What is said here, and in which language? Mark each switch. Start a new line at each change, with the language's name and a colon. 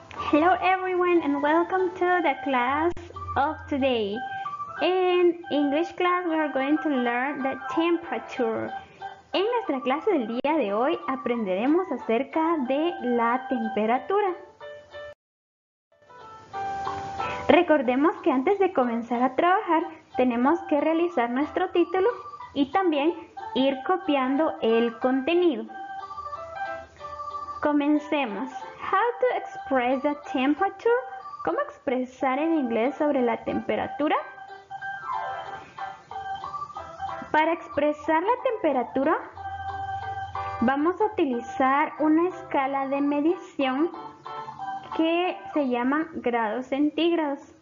English: Hello everyone and welcome to the class of today. In English class we are going to learn the temperature.
Spanish: En nuestra clase del día de hoy aprenderemos acerca de la temperatura. Recordemos que antes de comenzar a trabajar tenemos que realizar nuestro título y también ir copiando el contenido. Comencemos.
English: How to express the temperature?
Spanish: ¿Cómo expresar en inglés sobre la temperatura? Para expresar la temperatura, vamos a utilizar una escala de medición que se llama grados centígrados.